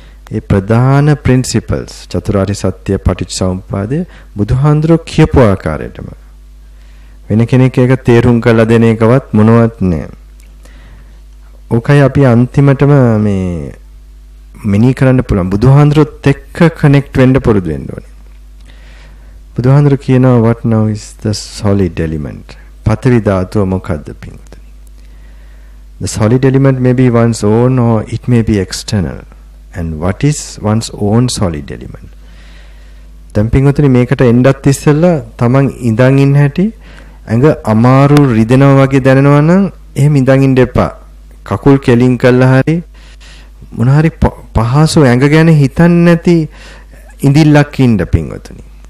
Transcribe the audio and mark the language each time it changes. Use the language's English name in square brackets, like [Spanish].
[Sinhala] ඒ ප්‍රධාන ප්‍රින්සිපල්ස් චතුරාර්ය සත්‍ය පටිච්චසමුප්පාදය බුදුහාඳුරෝ කියපු ආකාරයටම වෙන කෙනෙක් ඒක තේරුම් කරලා දෙන එකවත් මොනවත් නෑ. ඕකයි අපි අන්තිමටම මේ මිනී කරන්න පුළුවන්. බුදුහාඳුරුත් එක්ක කනෙක්ට් වෙන්න පුරුදු වෙන්න ඕනේ. බුදුහාඳුරු කියනවා [English] what now is the solid element. [Sinhala] පතරි ධාතුව මොකද්ද පින්තුනි? [English] The solid element may be one's own or it may be external. And what is one's own solid element? [Sinhala] දැන් පින්තුනි මේකට එන්නත් ඉස්සෙල්ලා තමන් ඉඳන් ඉන්න හැටි ඇඟ අමාරු රිදෙනවා වගේ දැනෙනවා නම් එහෙම ඉඳන් ඉන්න එපා. කකුල් කෙලින් කළා හරි මොන හරි පහසු ඇඟ ගැන හිතන්නේ නැති ඉඳිල්ලක් ඉන්න පින්වතුනි.